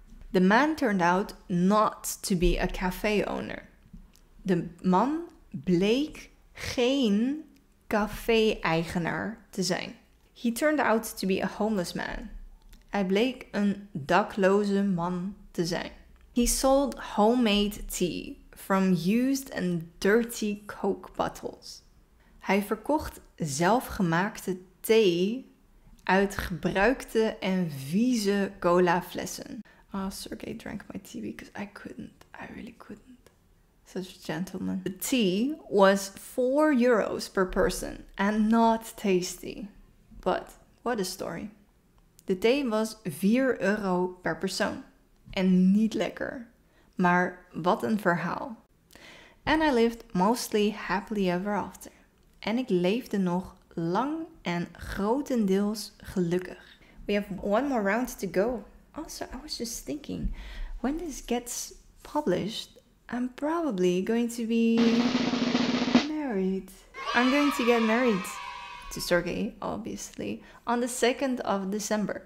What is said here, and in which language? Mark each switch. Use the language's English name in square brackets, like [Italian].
[English] The man turned out not to be a cafe owner. [Dutch] De man bleek geen café-eigenaar te zijn. [English] He turned out to be a homeless man. [Dutch] Hij bleek een dakloze man te zijn. [English] He sold homemade tea from used and dirty Coke bottles. [Dutch] Hij verkocht zelfgemaakte thee uit gebruikte en vieze colaflessen. [English] Ah, Sergey drank my tea because I couldn't. I really couldn't. Such a gentleman. The tea was 4 euros per person and not tasty. But what a story. [Dutch] De thee was 4 euro per persoon. En niet lekker. Maar wat een verhaal. [English] And I lived mostly happily ever after. [Dutch] En ik leefde nog lang en grotendeels gelukkig. [English] We have one more round to go. Also, I was just thinking, when this gets published, I'm probably going to be married. I'm going to get married to Sergey, obviously, on the 2nd of December.